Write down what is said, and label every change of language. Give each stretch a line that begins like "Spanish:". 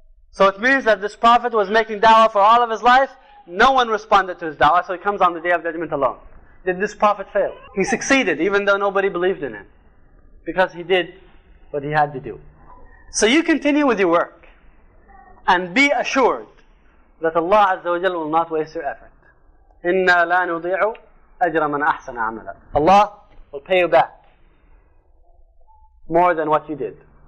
English: So it means that this prophet was making da'wah for all of his life, no one responded to his da'wah, so he comes on the Day of Judgment alone. Did this prophet fail? He succeeded, even though nobody believed in him, because he did what he had to do. So you continue with your work and be assured that Allah Azza wa Jal will not waste your effort.
Arabic: إِنَّا لَا نُضِيعُ أَجْرَ مَنْ أَحْسَنَ عَمَلًا.
English: Allah will pay you back more than what you did.